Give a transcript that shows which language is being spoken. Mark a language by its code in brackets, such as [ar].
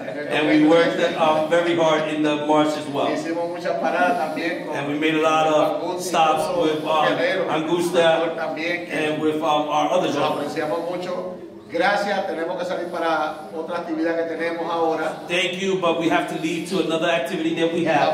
[en] And we worked very hard in the march as well. And we made a lot of stops with Angusta and with our other drummers. [es] Gracias, tenemos que salir para otra actividad que tenemos ahora. [en] Thank you, but we have to leave to another activity that we have.